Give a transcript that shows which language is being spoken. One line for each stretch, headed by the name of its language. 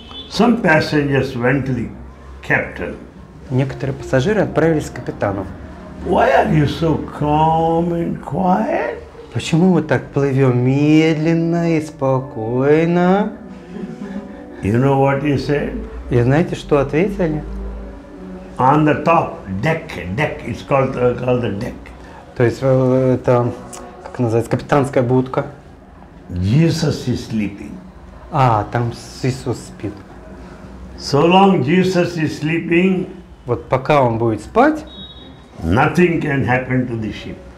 English: Some passengers went to the captain.
Russian: Некоторые пассажиры отправились к капитану.
English: Why are you so calm and quiet?
Russian: Почему мы так плывем медленно и спокойно?
English: You know what he said?
Russian: И знаете, что ответили?
English: On the top deck, it's called the deck.
Russian: То есть это как называется капитанская будка.
English: Jesus is sleeping.
Russian: А там Иисус спит.
English: So long Jesus is sleeping.
Russian: Вот пока он будет спать,
English: nothing can happen to the ship.